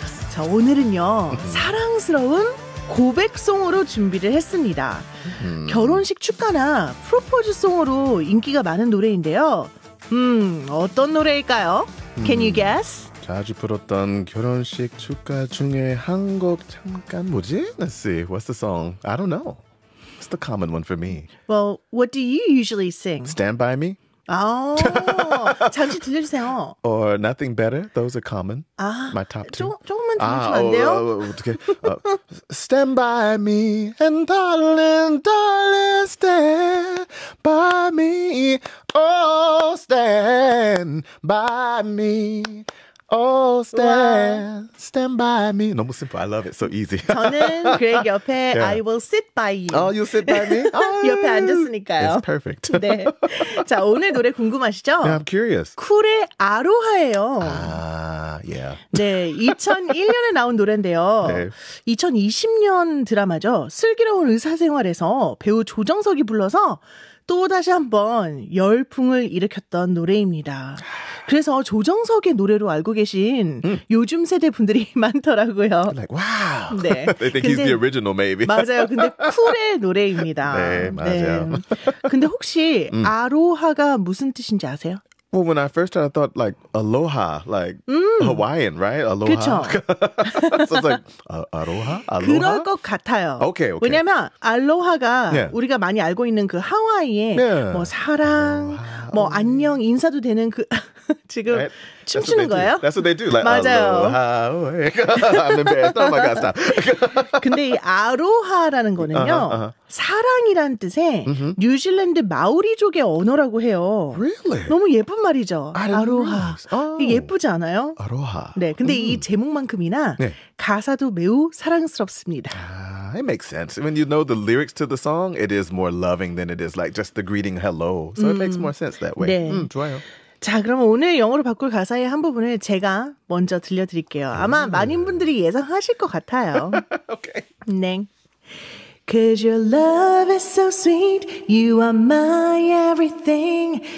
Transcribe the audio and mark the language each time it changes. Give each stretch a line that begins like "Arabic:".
Korean: 자, 오늘은요, 사랑스러운 고백송으로 준비를 했습니다. 결혼식 축가나 프로포즈송으로 인기가 많은 노래인데요. 어떤 노래일까요?
English: Can you guess?
Korean: 자주 불렀던 결혼식 축가 중에 한 곡 잠깐 뭐지?
English: Let's see. What's the song? I don't know. What's the common one for me? Well, what do you usually sing? Stand By Me?
Korean: Oh, 잠시 들려주세요.
English: Or Nothing Better. Those are common.
Korean: 아,
English: My top two.
Korean: 조금만 들려주면 안 돼요?
English: Stand By Me and darling, darling, stand by me. Oh, stand by me. Oh, stand by me.
Korean: 너무
English: simple. I love it. So easy.
Korean: 저는 Greg 옆에
English: yeah. I will sit by you. Oh, you'll sit by me?
Korean: Oh. 옆에 앉았으니까요.
English: It's perfect.
Korean: 네. 자, 오늘 노래 궁금하시죠?
English: Yeah, I'm curious.
Korean: 쿨의 아로하예요.
English: Yeah.
Korean: 네, 2001년에 나온 노래인데요. 네. 2020년 드라마죠. 슬기로운 의사생활에서 배우 조정석이 불러서 또다시 한번 열풍을 일으켰던 노래입니다. 그래서 조정석의 노래로 알고 계신 요즘 세대 분들이 많더라고요.
English: Like, wow.
Korean: 네.
English: They think
Korean: 근데,
English: he's the original, maybe.
Korean: 맞아요. 근데 쿨의 노래입니다. 네, 맞아요. 네. 근데 혹시 아로하가 무슨 뜻인지 아세요?
English: Well, when I first heard, I thought like aloha, like Hawaiian, right? Aloha. So it's like aloha, aloha.
Korean: 그럴 것 같아요.
English: Okay, okay.
Korean: 왜냐면 아로하가 yeah. 우리가 많이 알고 있는 그 하와이의
English: yeah.
Korean: 뭐 사랑, aloha. 뭐 안녕 인사도 되는 그 지금
English: right?
Korean: 춤추는 거예요?
English: Do. That's what they do. Like,
Korean: 맞아요.
English: Aloha. I'm embarrassed. Oh my God, stop.
Korean: 근데 이 아로하라는 거는요. Uh-huh, uh-huh. 사랑이란 뜻의 mm-hmm. 뉴질랜드 마오리족의 언어라고 해요.
English: Really?
Korean: 너무 예쁜 말이죠. 아로하. Oh. 예쁘지 않아요? 아로하. 네, 근데 이 제목만큼이나 네. 가사도 매우 사랑스럽습니다.
English: It makes sense. When you know the lyrics to the song, it is more loving than it is like just the greeting hello. So it makes more sense that way.
Korean: 네. 좋아요. 자, 그럼 오늘 영어로 바꿀 가사의 한 부분을 제가 먼저 들려드릴게요. 아마 많은 분들이 예상하실 것 같아요.
English: okay.
Korean: 네.
English: Cause your love is so sweet, you are my everything.